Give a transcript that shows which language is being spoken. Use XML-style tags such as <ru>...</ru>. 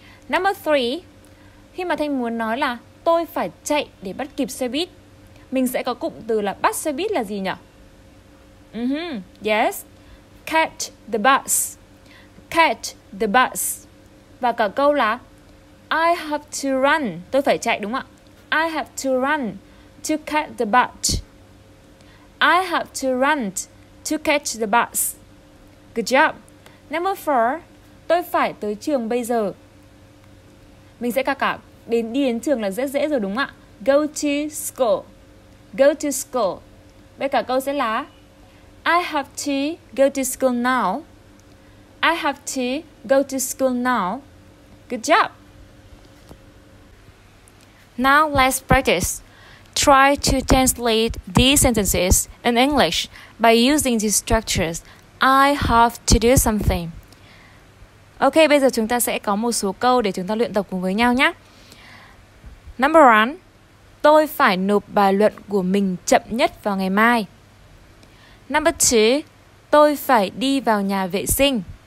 <en>Number three,</en> <vi>khi mà Thanh muốn nói là tôi phải chạy để bắt kịp xe buýt, mình sẽ có cụm từ là bắt xe buýt là gì nhỉ?</vi> <en>Yes, catch the bus. Catch the bus.</en> <vi>Và cả câu là</vi> <en>I have to run.</en> <vi>Tôi phải chạy, đúng không ạ?</vi> <en>I have to run to catch the bus. I have to run to catch the bus. Good job. Number four,</en> <vi>tôi phải tới trường bây giờ. Mình sẽ cả đến đi đến trường là rất dễ rồi, đúng không ạ?</vi> <en>Go to school. Go to school.</en> <vi>Với cả câu sẽ là</vi> <en>I have to go to school now. I have to go to school now. Good job. Now let's practice. Try to translate these sentences in English by using these structures. I have to do something.</en> <vi>Ok, bây giờ chúng ta sẽ có một số câu để chúng ta luyện tập cùng với nhau nhé.</vi> <en>Number one,</en> <vi>tôi phải nộp bài luận của mình chậm nhất vào ngày mai.</vi> <en>Number two,</en> <vi>tôi phải đi vào nhà vệ sinh.</vi>